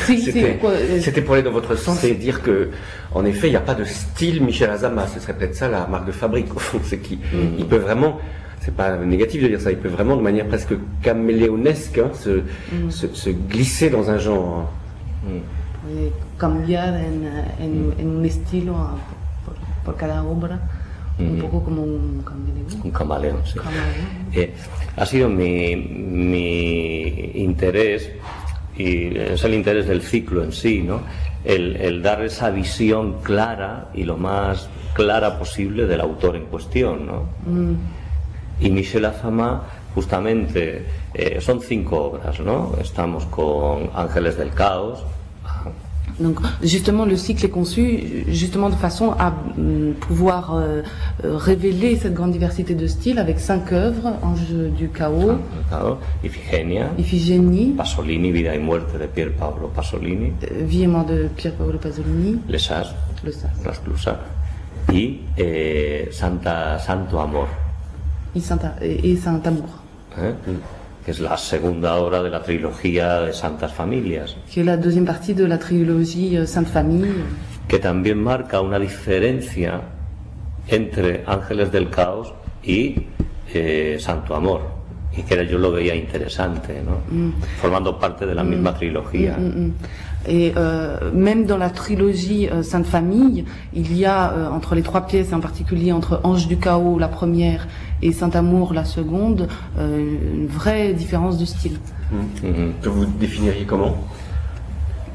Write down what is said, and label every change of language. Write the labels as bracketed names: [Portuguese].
[French] C'était pour aller dans votre sens et dire que, en effet, il n'y a pas de style Michel Azama. Ce serait peut-être ça la marque de fabrique, au fond. C'est qu'il peut vraiment, c'est pas négatif de dire ça, il peut vraiment, de manière presque caméléonesque, se glisser dans un genre. [Spanish] Cambiar en un estilo por cada obra. Un poco como un camaleón, sí. Ha sido mi interés y es el interés del ciclo en sí, ¿no? El dar esa visión clara y lo más clara posible del autor en cuestión, ¿no? Mm. Y Michel Azama, justamente, son cinco obras, ¿no? Estamos con Ángeles del Caos. [French] Donc justement le cycle est conçu justement de façon à pouvoir révéler cette grande diversité de styles avec cinq œuvres, Ange du Chaos, [Spanish] Iphigenia, [French] Iphigénie, [Spanish] Pasolini, Vida y Muerte de Pier Paolo Pasolini, [French] Vie et mort de Pier Paolo Pasolini, Le Sas, Le Sas, [Spanish] Las Clusas, y Santo Amor. Y Saint Amour. Que es la segunda obra de la trilogía de Santas Familias. Que es [French] la deuxième partie de la trilogie Sainte Famille. [Spanish] Que también marca una diferencia entre Ángeles del Caos y Santo Amor. Y que yo lo veía interesante, ¿no? Mm. Formando parte de la misma trilogía. [French] Et même dans la trilogie Sainte Famille, il y a entre les trois pièces, et en particulier entre Ange du Chaos, la première, et Saint Amour, la seconde, une vraie différence de style. Mm-hmm. Que vous définiriez comment ?